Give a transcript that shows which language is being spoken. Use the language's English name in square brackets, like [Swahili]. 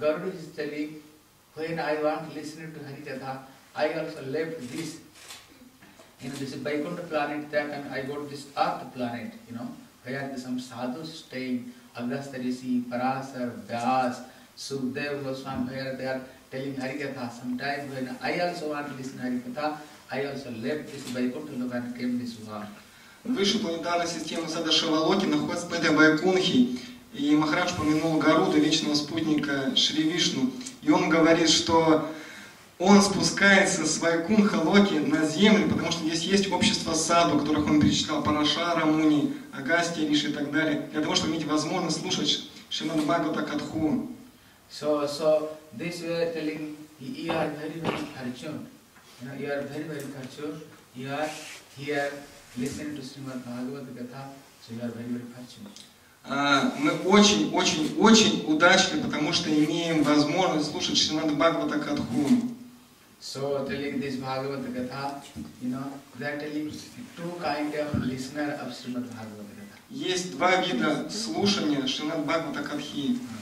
[English] Garuda is telling, when I want listening to Harikatha, I also left this, you know, this Vaikuntha planet that, and I got this earth planet, you know, where some sadhus staying, Agastya Rishi, Parasar, Vyas, Sukhdev Goswami, where they are telling Harikatha. Sometimes when I also want to listen to Harikatha, I also left this Vaikuntha Loka and came this one. [Russian] Выше планетарной системы Садашивалоки находится планета Вайкунхи. И Махарадж упомянул Гаруду, вечного спутника Шри Вишну. И он говорит, что он спускается с Вайкунха Локи на землю, потому что здесь есть общество саду, которых он перечислял, Парашара, Муни, Агастья, Риши и так далее, для того, чтобы иметь возможность слушать Шримад Бхагавата Катху. [English] So this way of telling, you are very, very Arjun. Now you are very, very fortunate. You are here listening to Srimad Bhagavad Gita, so you are very, very fortunate. [Russian] Мы очень-очень-очень удачны, потому что имеем возможность слушать Шримад Бхагавата Катху. [English] So telling this Bhagavad Gita, you know, they are telling two kind of listener of Srimad Bhagavad Gita. [Russian] Есть два вида слушания Шримад Бхагавата Катхи.